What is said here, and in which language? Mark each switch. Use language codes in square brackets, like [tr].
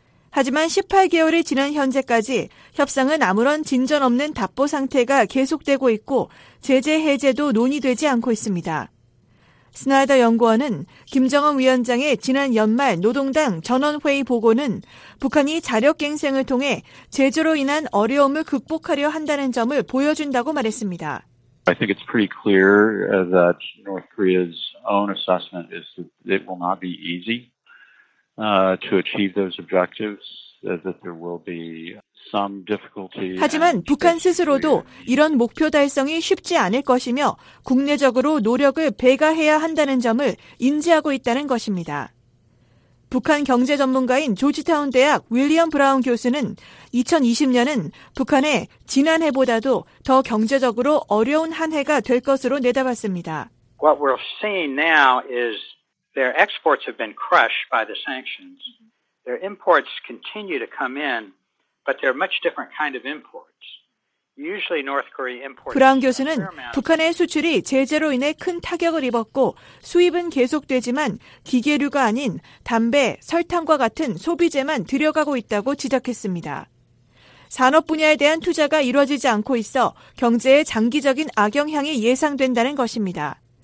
[ko] 하지만 18개월이 지난 현재까지 협상은 아무런 진전 없는 답보 상태가 계속되고 있고 제재 해제도 논의되지 않고 있습니다. 스나이더 연구원은 김정은 위원장의 지난 연말 노동당 전원회의 보고는 북한이 자력갱생을 통해 제재로 인한 어려움을 극복하려 한다는 점을 보여준다고 말했습니다. [en] I think it's pretty clear that North Korea's own assessment is that it will not be easy to achieve those objectives, that there will be some difficulty. [ko] 하지만 북한 스스로도 이런 목표 달성이 쉽지 않을 것이며 국내적으로 노력을 배가해야 한다는 점을 인지하고 있다는 것입니다. 북한 경제 전문가인 조지타운 대학 윌리엄 브라운 교수는 2020년은 북한의 지난해보다도 더 경제적으로 어려운 한 해가 될 것으로 내다봤습니다. [en] What we're seeing now is their exports have been crushed by the sanctions. Their imports continue to come in, but they're much different kind of imports. Usually North Korea imports. [ko] 브라운 교수는 북한의 수출이 제재로 인해 큰 타격을 입었고 수입은 계속되지만 기계류가 아닌 담배, 설탕과 같은 소비재만 들여가고 있다고 지적했습니다. 산업 분야에 대한 투자가 이루어지지 않고 있어 경제에 장기적인 악영향이 예상된다는 것입니다.